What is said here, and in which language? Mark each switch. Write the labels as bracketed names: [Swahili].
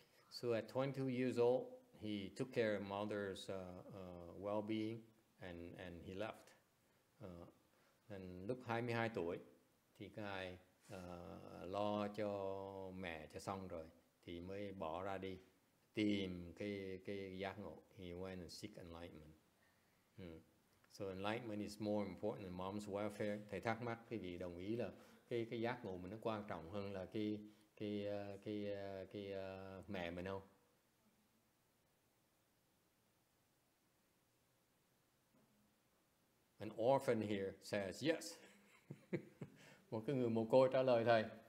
[English] So at 22 years old, he took care of mother's well-being and he left. [Vietnamese] And lúc 22 tuổi thì ngài lo cho mẹ cho xong rồi thì mới bỏ ra đi tìm cái giác ngộ. [English] He went and seek enlightenment. So enlightenment is more important than mom's welfare. [Vietnamese] Thầy thắc mắc, quý vị đồng ý là cái giác ngộ mình nó quan trọng hơn là cái mẹ mình không? [English] An orphan here says yes. [Vietnamese] Một cái người mồ côi trả lời thầy.